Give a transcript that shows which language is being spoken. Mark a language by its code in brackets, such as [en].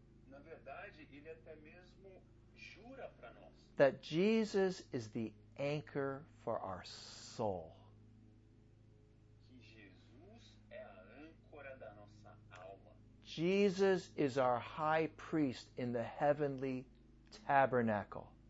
[pt] Na verdade, ele até mesmo jura para nós. [en] That Jesus is the anchor for our soul. [pt] Que Jesus é a âncora da nossa alma. [en] Jesus is our high priest in the heavenly tabernacle.